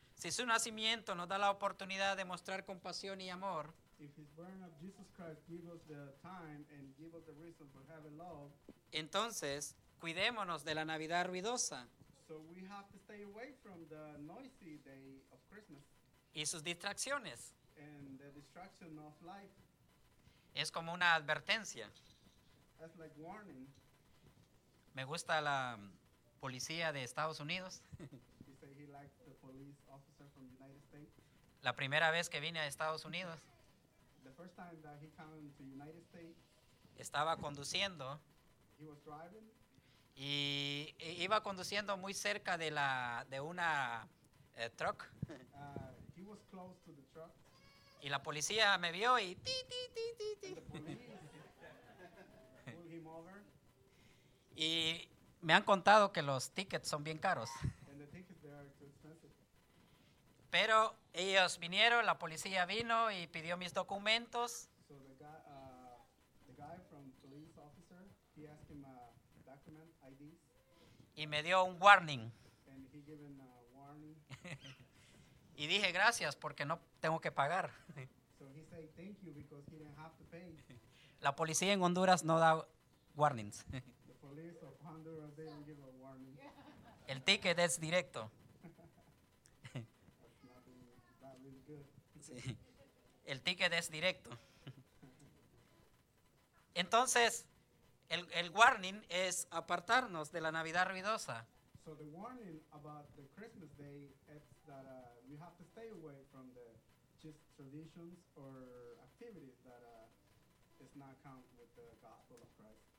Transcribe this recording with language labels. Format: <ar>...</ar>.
<es>si su nacimiento nos da la oportunidad de mostrar compasión y amor,</es> <en>if his birth of Jesus Christ give us the time and give us the reason for having love,</en> <es>entonces cuidémonos de la Navidad ruidosa,</es> <en>so we have to stay away from the noisy day of Christmas,</en> <es>y sus distracciones,</es> <en>and the distraction of life.</en> <es>Es como una advertencia.</es> <en>That's like warning.</en> <es>Me gusta la policía de Estados Unidos.</es> <en>He said he liked the police officer from the United States.</en> <es>La primera vez que vine a Estados Unidos.</es> <en>The first time that he came to the United States.</en> <es>Estaba conduciendo.</es> <en>He was driving.</en> <es>Y iba conduciendo muy cerca de la de una truck.</es> <en>He was close to the truck.</en> <es>Y la policía me vio y ti, ti, ti, ti, ti.</es> <en>Pull him over.</en> <es>Y me han contado que los tickets son bien caros.</es> <en>And the tickets, they are too expensive.</en> <es>Pero ellos vinieron, la policía vino y pidió mis documentos.</es> <en>So the guy, the guy from police officer, he asked him a document, ID.</en> <es>Y me dio un warning.</es> <en>And he gave him a warning.</en> <es>Y dije gracias porque no tengo que pagar.</es> <en>So he said, thank you, because he didn't have to pay.</en> <es>La policía en Honduras no da warnings.</es> <en>The police of Honduras didn't give a warning.</en> <es>El ticket es directo.</es> <en>That's not really, really good.</en> <es>Sí. El ticket es directo. Entonces, el warning es apartarnos de la Navidad ruidosa.</es> <en>So the warning about the Christmas day is that we have to stay away from the just traditions or activities that is not count with the gospel of Christ.</en>